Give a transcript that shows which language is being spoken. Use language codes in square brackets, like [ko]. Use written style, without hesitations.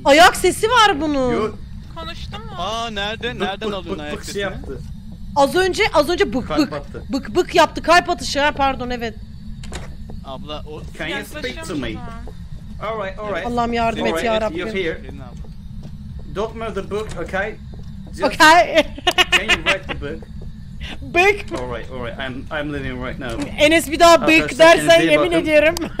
[tr] Ayak sesi var bunun. Yok. Konuştun mu? Aa nerede? Nereden alıyorsun ayak sesini? Bık bık bık şey yaptı. Az önce bık bık. Bık bık yaptı. Kalp atışı ha pardon evet. Abla o... [en] Can you speak to me? Alright. [tr] Allah'ım yardım et yarabbim. [en] Alright, you're here. Don't murder the book, okay? Just... Okay. Can you write the book? Bık. Alright, I'm living right now. [tr] Enes bir daha bık dersen yemin ediyorum.